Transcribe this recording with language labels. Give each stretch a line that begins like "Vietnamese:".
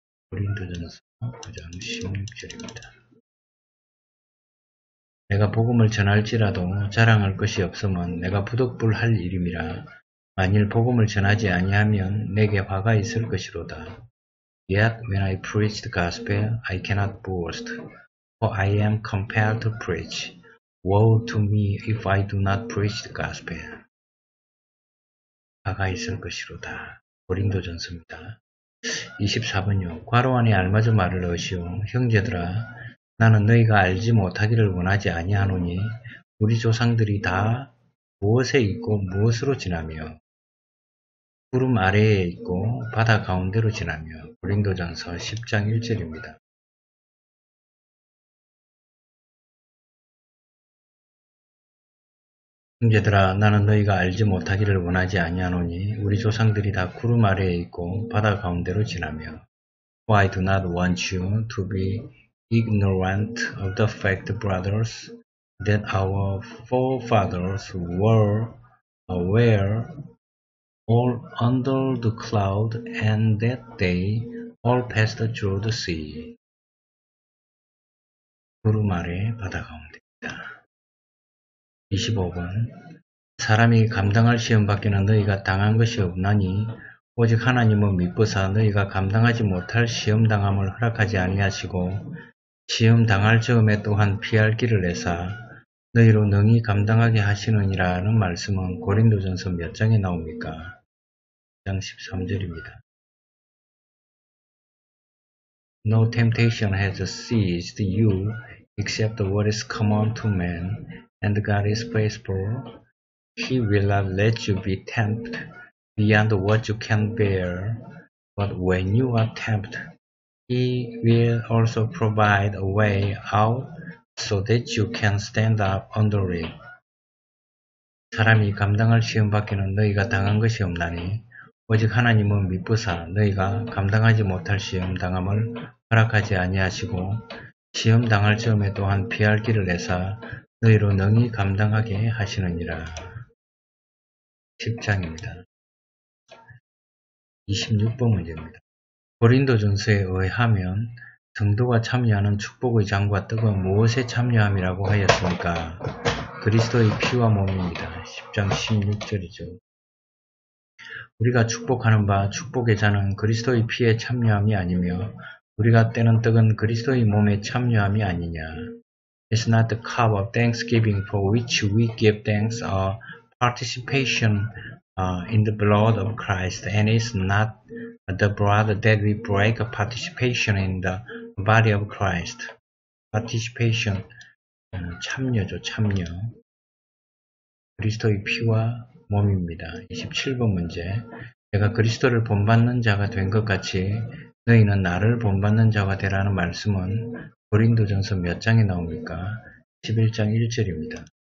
Korean: 고린도전서 9장 16절입니다. 내가 복음을 전할지라도 자랑할 것이 없으면 내가 부득불할 일임이라. 만일 복음을 전하지 아니하면 내게 화가 있을 것이로다.
English: Yet when I preach the gospel, I cannot boast. For I am compelled to preach. Woe to me if I do not preach the gospel.
Korean: 화가 있을 것이로다. 고린도전서입니다. 24번요. 과로 안에 알맞은 말을 넣으시오. 형제들아, 나는 너희가 알지 못하기를 원하지 아니하노니 우리 조상들이 다 무엇에 있고 무엇으로 지나며 구름 아래에 있고 바다 가운데로 지나며. 고린도전서 10장 1절입니다. 형제들아, 나는 너희가 알지 못하기를 원하지 아니하노니 우리 조상들이 다 구름 아래에 있고 바다 가운데로 지나며.
English: I do not want you to be ignorant of the fact, brothers, that our forefathers were aware all under the cloud and that they all passed through the sea.
Korean: 구름 아래 바다 가운데입니다. 25번 사람이 감당할 시험밖에는 너희가 당한 것이 없나니 오직 하나님은 미쁘사 너희가 감당하지 못할 시험당함을 허락하지 아니하시고 시험당할 즈음에 또한 피할 길을 내사 너희로 능히 감당하게 하시느니라는 말씀은 고린도전서 몇 장에 나옵니까? 2장 13절입니다.
English: No temptation has seized you except what is common to man, and God is faithful. He will not let you be tempted beyond what you can bear, but when you are tempted, He will also provide a way out so that you can stand up under it.
Korean: 사람이 감당할 시험밖에는 너희가 당한 것이 없나니 오직 하나님은 미쁘사 너희가 감당하지 못할 시험 당함을 허락하지 아니하시고 시험 당할 즈음에 또한 피할 길을 내사 너희로 능히 감당하게 하시느니라. 10장입니다. 26번 문제입니다. 고린도전서에 의하면 성도가 참여하는 축복의 장과 떡은 무엇에 참여함이라고 하였습니까? 그리스도의 피와 몸입니다. 10장 16절이죠. 우리가 축복하는 바 축복의 잔은 그리스도의 피에 참여함이 아니며 우리가 떼는 떡은 그리스도의 몸에 참여함이 아니냐.
English: It's not the cup of thanksgiving for which we give thanks or participation in the blood of Christ, and it's not the blood that we break participation in the body of Christ.
Korean: Participation, 참여죠, 참여. 그리스도의 피와 몸입니다. 27번 문제. 내가 그리스도를 본받는 자가 된 것 같이 너희는 나를 본받는 자가 되라는 말씀은 고린도전서 몇 장에 나옵니까? 11장 1절입니다.